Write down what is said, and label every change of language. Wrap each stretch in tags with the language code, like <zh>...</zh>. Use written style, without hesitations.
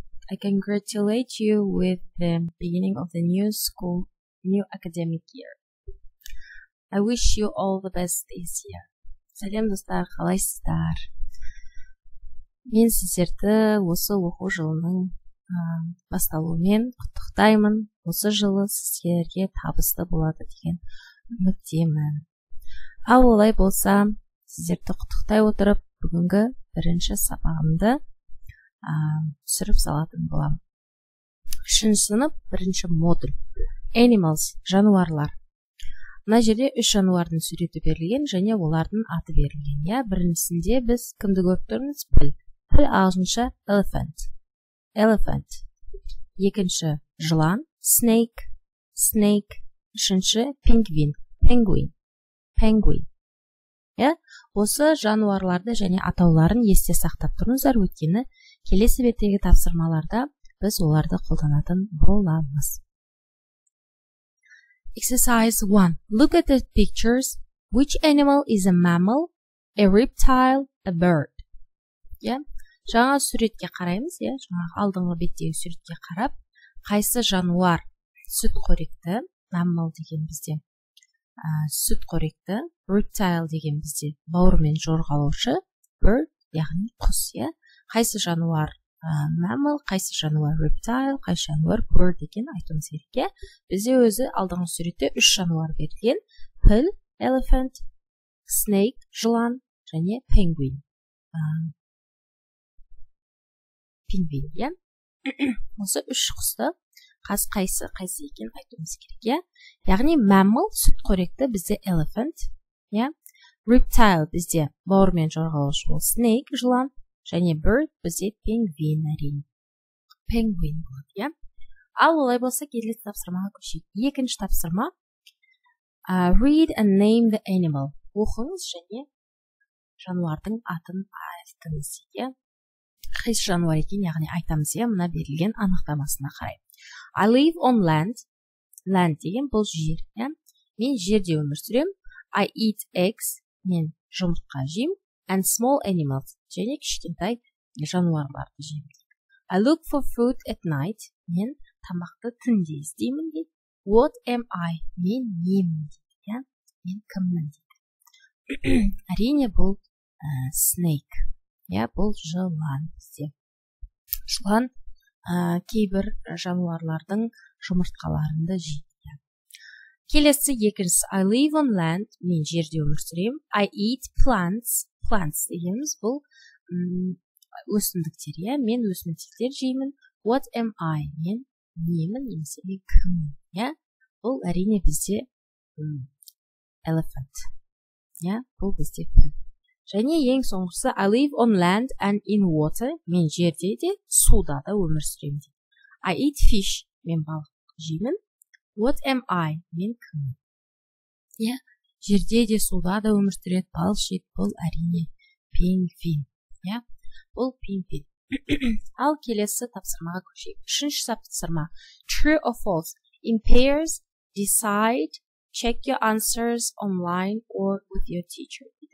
<en>I congratulate you with the beginning of the new school, new academic year. I wish you all the best this year.</en> <kk>Сәлем, достар, қалайсыздар? Мен сіздерді осы оқу жылының басталуымен құттықтаймын. Осы жылы сіздерге табысты болады деген үміттемін. Ал олай болса, сіздерді құттықтай отырып, бүгінгі бірінші сабағымды түсіріп салатын боламын. Үшінші сынып, бірінші модуль. Animals, жануарлар. Мына жерде үш жануардың суреті берілген, және олардың аты берілген. Я, біріншісінде біз кімді көріп тұрмыз? Піл. Піл ағылшынша elephant.</kk> <en>Elephant.</en> <kk>Екінші жылан.</kk> <en>Snake. Snake.</en> <kk>Үшінші penguin.</kk> <en>Penguin. Penguin.</en> <kk>Я, осы жануарларды және атауларын есте сақтап тұрыңыздар, өйткені келесі беттегі тапсырмаларда біз оларды қолданатын боламыз.</kk> <en>Exercise 1. Look at the pictures. Which animal is a mammal, a reptile, a bird?</en> <kk>Я, жаңа суретке қараймыз, я, жаңа алдыңғы беттегі суретке қарап, қайсы жануар сүтқоректі, mammal деген бізде. Сүтқоректі, reptile деген бізде бауырмен жорғалаушы, bird, яғни құс, я? Қайсы жануар mammal, қайсы жануар reptile, қайсы жануар bird деген айтуымыз керек. Бізде өзі алдыңғы суретте үш жануар берген: піл, elephant, snake, жылан, және penguin. Penguin, я? Осы үш құсты қайсы екен айтуымыз керек, я? Яғни mammal сүтқоректі бізде elephant, я? Reptile бізде бауырмен жорғалаушы ол snake, жылан, және bird бізде penguin әрине. Penguin болады, я? Ал олай болса, келесі тапсырмаға көшейік. Екінші тапсырма:</kk> <en>read and name the animal.</en> <kk>Оқыңыз және жануардың атын айтыңыз, я? Қайсы жануар екен, яғни айтамыз, я? Мына берілген анықтамасына қарай.</kk> <en>I live on land.</en> <kk>Land деген бұл жер. Я? Мен жерде өмір сүрем.</kk> <en>I eat eggs.</en> <kk>Мен жұмыртқа жейм.</kk> <en>And small animals.</en> <kk>Және кішкентай жануарларды жейм.</kk> <en>I look for food at night.</en> <kk>Мен тамақты түнде іздеймін.</kk> <en>What am I?</en> <kk>Мен немін. Я? Мен кіммін. Әрине бұл snake. Я? Бұл жылан. Жылан. Кейбір жануарлардың жұмыртқаларында жейді. Келесі екіншісі:</kk> <en>I live on land.</en> <kk>Мен жерде өмір сүрем.</kk> <en>I eat plants.</en> <kk>Plants дегеніміз бұл өсімдіктер. Я? Мен өсімдіктер жеймін.</kk> <en>What am I?</en> <kk>Мен немін, немесе кіммін. Я? Бұл әрине бізде elephant. Я? Бұл бізде пі. Және ең соңғысы:</kk> <en>I live on land and in water.</en> <kk>Мен жерде де, суда да өмір сүрем.</kk> <en>I eat fish.</en> <kk>Мен балық жеймін.</kk> <en>What am I?</en> <kk>Мен кіммін. Я? Жерде де, суда да өмір сүреді, балық жейді. Бұл әрине penguin. Я? Бұл penguin. Ал келесі тапсырмаға көшейік. Үшінші тапсырма:</kk> <en>true or false. In pairs, decide, check your answers online or with your teacher.</en>